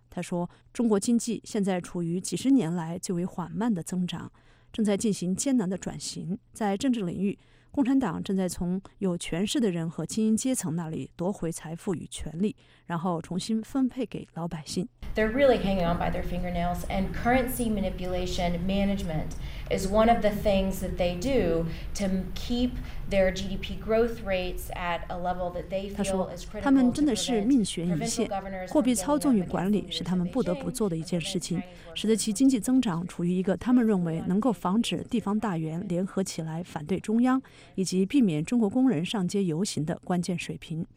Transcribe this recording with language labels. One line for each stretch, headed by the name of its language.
Chinese: 他说，中国经济现在处于几十年来最为缓慢的增长，正在进行艰难的转型。在政治领域，共产党正在从有权势的人和精英阶层那里夺回财富与权力，然后重新分配给老百姓。
English: They're really hanging on by their fingernails, and currency manipulation management is one of the things that they do to keep their GDP growth rates at a level that they feel is critical.
Chinese: 他说，他们真的是命悬一线，货币操纵与管理是他们不得不做的一件事情，使得其经济增长处于一个他们认为能够防止地方大员联合起来反对中央，以及避免中国工人上街游行的关键水平。